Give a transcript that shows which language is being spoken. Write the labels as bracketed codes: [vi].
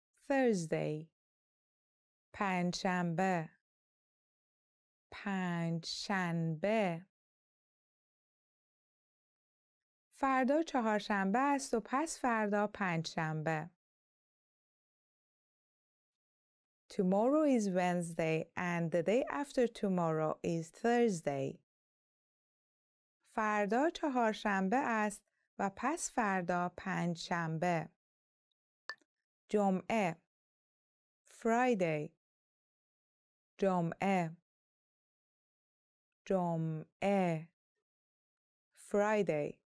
[en] Thursday. [fa] پنجشنبه. پنجشنبه. فردا چهارشنبه است و پس فردا پنجشنبه. [en] Tomorrow is Wednesday and the day after tomorrow is Thursday. [fa] فردا چهارشنبه است و پس فردا پنجشنبه. جمعه Friday جمعه جمعه Friday